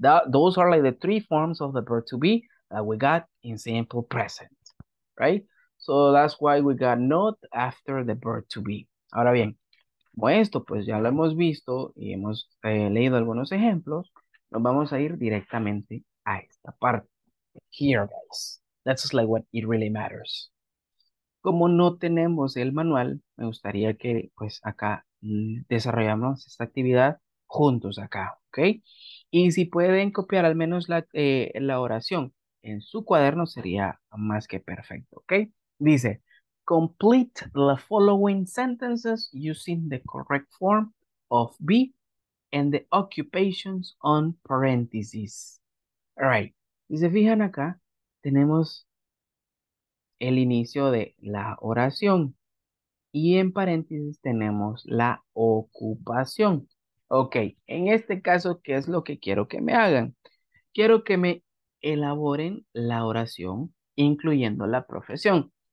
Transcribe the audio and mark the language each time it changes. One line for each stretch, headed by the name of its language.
English: Those are like the three forms of the verb to be that we got in simple present, right? So that's why we got not after the verb to be.
Spanish: Ahora bien, como esto pues ya lo hemos visto y hemos leído algunos ejemplos, nos vamos a ir directamente a esta parte.
English: Here, guys. That's just like what it really matters.
Spanish: Como no tenemos el manual, me gustaría que pues acá desarrollamos esta actividad juntos acá, ¿ok? Y si pueden copiar al menos la oración en su cuaderno, sería más que perfecto, ¿ok? Dice,
English: complete the following sentences using the correct form of be and the occupations on parentheses. All right.
Spanish: Si se fijan acá, tenemos el inicio de la oración y en paréntesis tenemos la ocupación. Ok, en este caso, ¿qué es lo que quiero que me hagan? Quiero que me elaboren la oración incluyendo la profesión.